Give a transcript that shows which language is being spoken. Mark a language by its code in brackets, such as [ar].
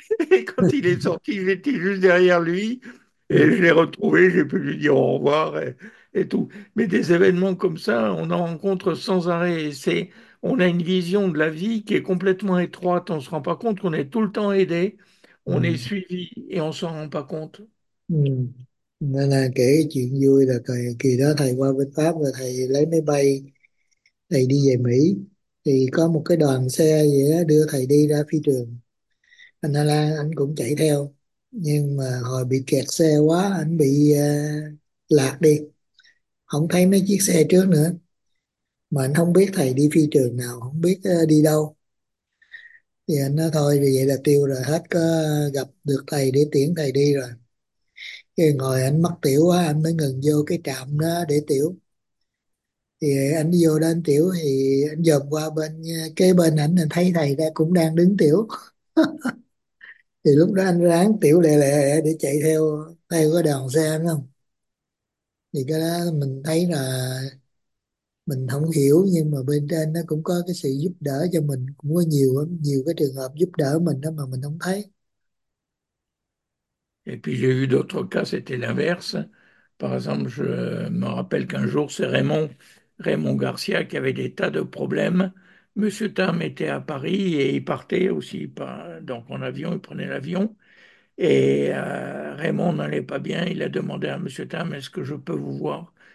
[fr] Et quand il est sorti, j'étais juste derrière lui et je l'ai retrouvé, j'ai pu lui dire au revoir et tout. Mais des événements comme ça, on en rencontre sans arrêt. C'est, on a une vision de la vie qui est complètement étroite. On ne se rend pas compte qu'on est tout le temps aidé, on est suivi et on ne s'en rend pas compte. [vi] Nên là kể chuyện vui là kỳ đó thầy qua bên Pháp và thầy lấy máy bay thầy đi về Mỹ, thì có một cái đoàn xe vậy đó đưa thầy đi ra phi trường. Anh Na La anh cũng chạy theo, nhưng mà hồi bị kẹt xe quá anh bị lạc đi, không thấy mấy chiếc xe trước nữa, mà anh không biết thầy đi phi trường nào, không biết đi đâu. Thì anh nói thôi vậy là tiêu rồi, hết có gặp được thầy để tiễn thầy đi rồi. Cái ngồi anh mắc tiểu quá anh mới ngừng vô cái trạm đó để tiểu. Thì anh đi vô đó anh tiểu thì anh dòm qua bên kế bên ảnh anh thấy thầy ta cũng đang đứng tiểu. Thì lúc đó anh ráng tiểu lẹ lẹ để chạy theo theo cái đoàn xe anh không. Thì cái đó mình thấy là mình không hiểu, nhưng mà bên trên nó cũng có cái sự giúp đỡ cho mình, cũng có nhiều nhiều cái trường hợp giúp đỡ mình đó mà mình không thấy. [fr] Et puis j'ai vu d'autres cas, c'était l'inverse. Par exemple, je me rappelle qu'un jour, c'est Raymond Garcia qui avait des tas de problèmes. Monsieur Tam était à Paris et il partait aussi, donc en avion, il prenait l'avion. Et Raymond n'allait pas bien, il a demandé à Monsieur Tam, est-ce que je peux vous voir?